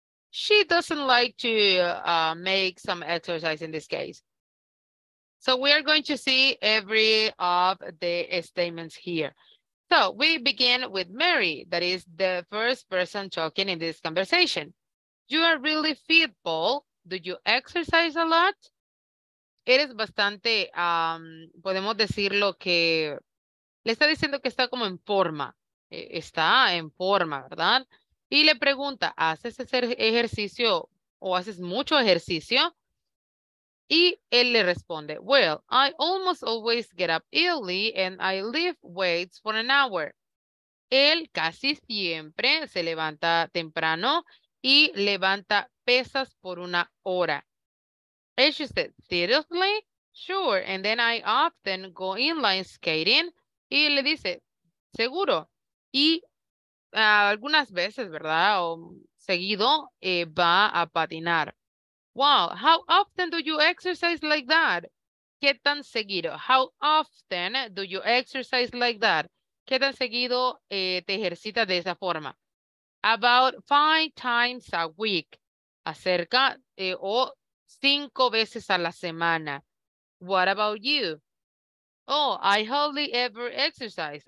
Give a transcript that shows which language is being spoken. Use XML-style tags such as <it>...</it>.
<en>She doesn't like to make some exercise in this case. So we are going to see every of the statements here. So we begin with Mary, that is the first person talking in this conversation. You are really fit, Paul. Do you exercise a lot?</en> <es>Eres bastante, podemos decirlo que, le está diciendo que está como en forma. Está en forma, ¿verdad? Y le pregunta, ¿haces ese ejercicio o haces mucho ejercicio? Y él le responde,</es> <en>well, I almost always get up early and I lift weights for an hour.</en> <es>Él casi siempre se levanta temprano y levanta pesas por una hora.</es> <en>And she said, seriously? Sure. And then I often go inline skating.</en> <es>Y le dice, seguro. Y algunas veces, ¿verdad? O seguido, va a patinar.</es> <en>Wow, how often do you exercise like that?</en> <es>¿Qué tan seguido?</es> <en>How often do you exercise like that?</en> <es>¿Qué tan seguido te ejercitas de esa forma?</es> <en>About 5 times a week.</en> <es>Acerca o 5 veces a la semana.</es> <en>What about you? Oh, I hardly ever exercise.</en>